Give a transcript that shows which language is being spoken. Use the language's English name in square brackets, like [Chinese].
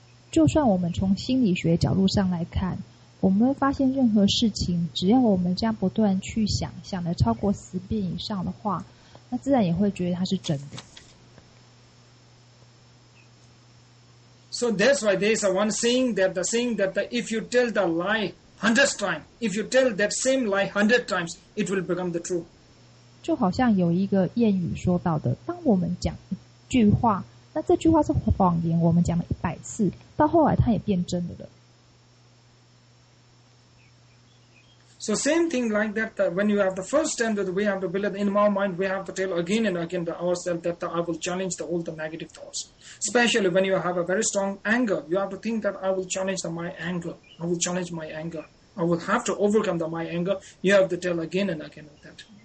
[Chinese] 这个真的是非常重要的一个方法。就算我们从心理学角度上来看, 我们会发现任何事情, 只要我们这样不断去想, 想得超过10遍以上的话, 那自然也会觉得它是真的。So [English] that's why there is one saying that the saying that if you tell the lie 100 times, if you tell that same lie 100 times, it will become the truth. [Chinese] 就好像有一个谚语说到的，当我们讲一句话，那这句话是谎言，我们讲了100次，到后来它也变真的了。So [English] same thing like that, when you have the first time that we have to build it in our mind, we have to tell again and again to ourselves that I will challenge all the negative thoughts. Especially when you have a very strong anger, you have to think that I will challenge my anger. I will challenge my anger. I will have to overcome my anger. You have to tell again and again of that.